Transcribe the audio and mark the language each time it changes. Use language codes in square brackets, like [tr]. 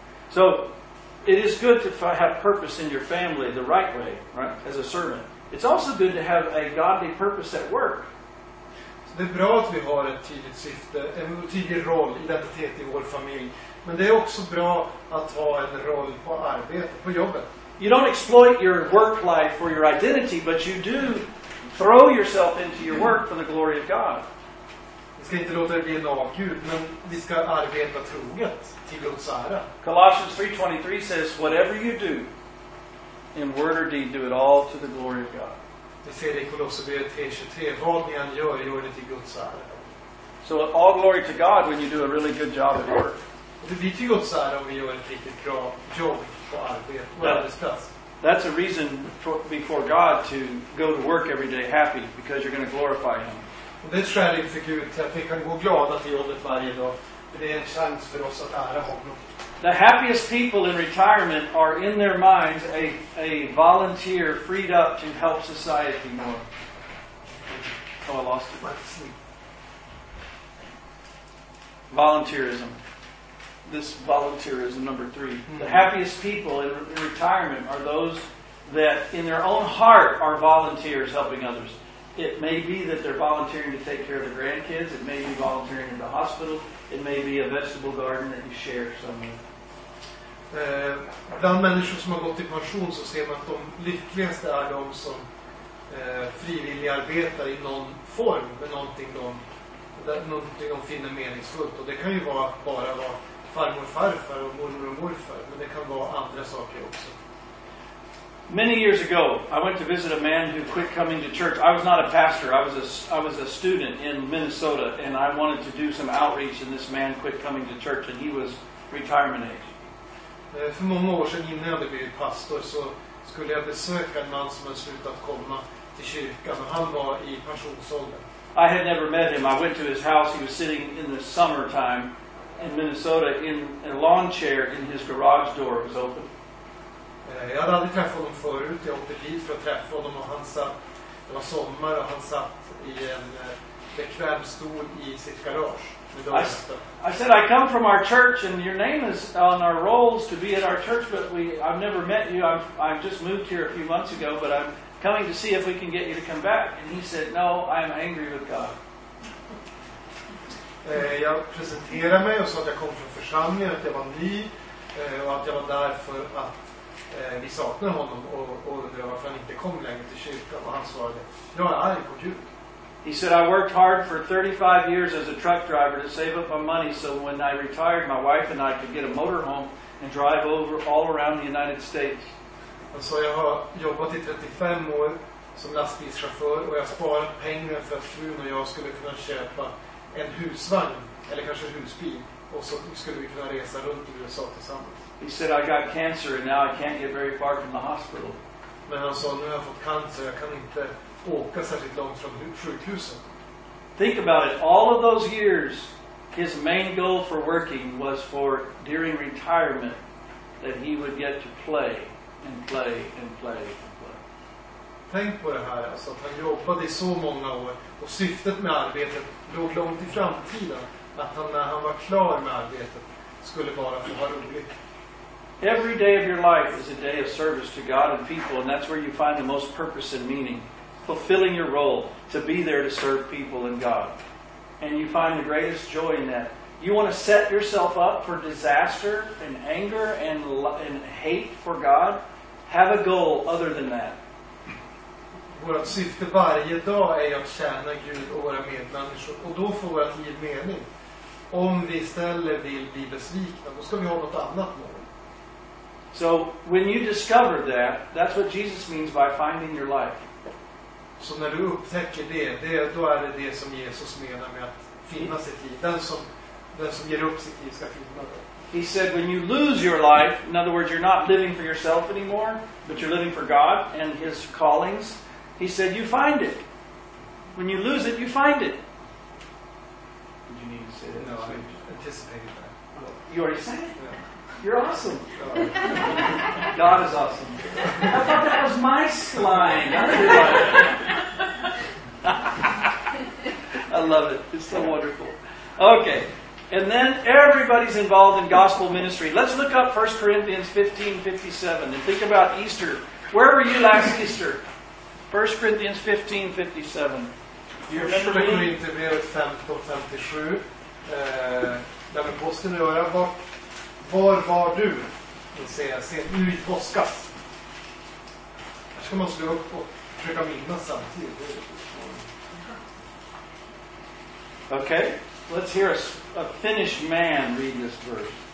[en] So, it is good to have purpose in your family the right way, right, as a servant. It's also good to have a godly purpose at work. [sv] Så det är bra att vi har ett tydligt syfte, en tydlig roll, identitet i vår familj. Men det är också bra att ha en roll på arbete, på jobbet. [en] You don't exploit your work life for your identity, but you do throw yourself into your work for the glory of God. [sv] Vi ska inte låta det bli en avgud, men vi ska arbeta troget till Guds ära. [en] Colossians 3:23 says, whatever you do, in word or deed, do it all to the glory of God. [sv] Det ser i Kolosserbrevet 3:23. Vad ni än gör det till Guds ära. [en] So all glory to God when you do a really good job at work. [sv] Det blir till Guds ära om vi gör ett riktigt bra jobb på arbetet. [en] That's a reason for, before God to go to work every day happy, because you're going to glorify Him. [sv] Och det är skälet för Gud till att vi kan gå glada till jobbet varje dag. För det är en chans för oss att ära honom. [en] The happiest people in retirement are in their minds a volunteer freed up to help society more. Oh, I lost it. Let's see. Volunteerism. This volunteerism, number three. Mm-hmm. The happiest people in retirement are those that in their own heart are volunteers helping others. It may be that they're volunteering to take care of the grandkids. It may be volunteering in the hospital. It may be a vegetable garden that you share somewhere. [sv] Bland människor som har gått i pension så ser man att de lyckligaste är de som frivilligt arbetar i någon form med någonting någonting de finner meningsfullt. Och det kan ju vara bara vara farmor och farfar och mormor och morfar, men det kan vara andra saker också. [en] Many years ago, I went to visit a man who quit coming to church. I was not a pastor. I was a student in Minnesota, and I wanted to do some outreach, and this man quit coming to church, and he was retirement age. [sv] För många år sedan, innan jag blev pastor, så skulle jag besöka en man som hade slutat komma till kyrkan, och han var i pensionsåldern. [en] I had never met him. I went to his house. He was sitting in the summertime in Minnesota in a lawn chair, and his garage door was open. [sv] Jag hade aldrig träffat honom förut. Jag åkte dit för att träffa honom, och han satt, det var sommar, och han satt i en bekväm stol i sitt garage. [en] I said, I come from our church and your name is on our rolls to be at our church, but I've never met you. I've just moved here a few months ago, but I'm coming to see if we can get you to come back. And he said, no, I am angry with God. [sv] Jag presenterade mig och sa att jag kom från församlingen, att jag var ny och att jag var där för att vi saknar honom och undrar varför han inte kom längre till kyrkan. Och han svarade, jag är arg på Gud. [en] He said, I worked hard for 35 years as a truck driver to save up my money so when I retired, my wife and I could get a motorhome and drive over all around the United States. [sv] Och så jag har jobbat i 35 år som lastbilschaufför, och jag sparat pengar för att frun och jag skulle kunna köpa en husvagn, eller kanske en husbil, och så skulle vi kunna resa runt i USA tillsammans. [en] He said, I got cancer and now I can't get very far from the hospital. [sv] Men han sa, nu har jag fått cancer, jag kan inte åka särskilt långt från sjukhuset. [en] Think about it. All of those years, his main goal for working was for during retirement that he would get to play and play and play and play. [sv] Tänk på det här, alltså, att han jobbade i så många år och syftet med arbetet låg långt i framtiden, att han, när han var klar med arbetet, skulle bara få ha roligt. [en] Every day of your life is a day of service to God and people, and that's where you find the most purpose and meaning. Fulfilling your role to be there to serve people and God. And you find the greatest joy in that. You want to set yourself up for disaster and anger and hate for God? Have a goal other than that. [sv] Vårt syfte varje dag är att tjäna Gud och våra medmänniskor. Och då får vårt liv mening. Om vi istället vill bli besvikna, då ska vi ha något annat mål. [en] So when you discover that, that's what Jesus means by finding your life. [sv] Så när du upptäcker då är det det som Jesus menar med att finna sitt liv. Den som ger upp sitt liv ska finna det. [en] He said, when you lose your life, in other words, you're not living for yourself anymore, but you're living for God and His callings. He said, you find it. When you lose it, you find it. Did you need to say that? No, I anticipated that. You already said it? Yeah. You're awesome. God is awesome. I thought that was my slime. I love it. It's so wonderful. Okay. And then everybody's involved in gospel ministry. Let's look up 1 Corinthians 15:57 and think about Easter. Where were you last Easter? 1 Corinthians 15:57. Do you remember me? 1 Corinthians 15:57. [sv] Där med posten och jag var. Var var du? Det ser jag. Ser nu i påskas. Här ska man slå upp och försöka minnas samtidigt. [en] Okay. Let's hear a Finnish man read this verse.